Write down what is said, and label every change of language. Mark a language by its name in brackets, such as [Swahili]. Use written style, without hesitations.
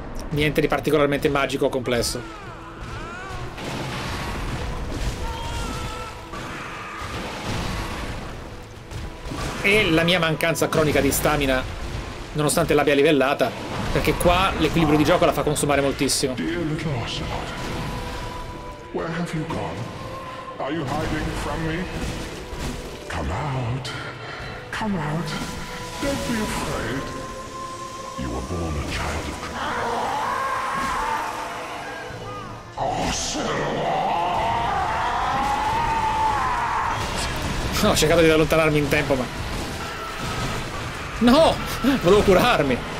[Italian] Niente di particolarmente magico o complesso. E la mia mancanza cronica di stamina, nonostante l'abbia livellata, perché qua l'equilibrio di gioco la fa consumare moltissimo. [English] Dear little Ocelot, where have you gone? Are you hiding from me? Come out. Come out. Don't be afraid. You were born a child of Ocelot. [Italian] No, ho cercato di allontanarmi in tempo, ma... no! Volevo curarmi!